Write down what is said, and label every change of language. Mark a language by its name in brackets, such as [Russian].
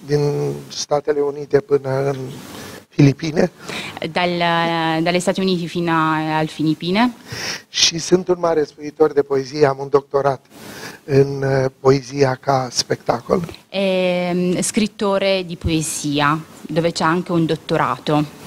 [Romanian] Din Statele Unite până în Filipine. [Italian] Dalle Stati Uniti fino al Filipine. [Romanian] Și sunt un mare scriitor de poezie, am un doctorat în poezia ca spectacol. [Italian] E scrittore di poesia, dove c'è anche un dottorato.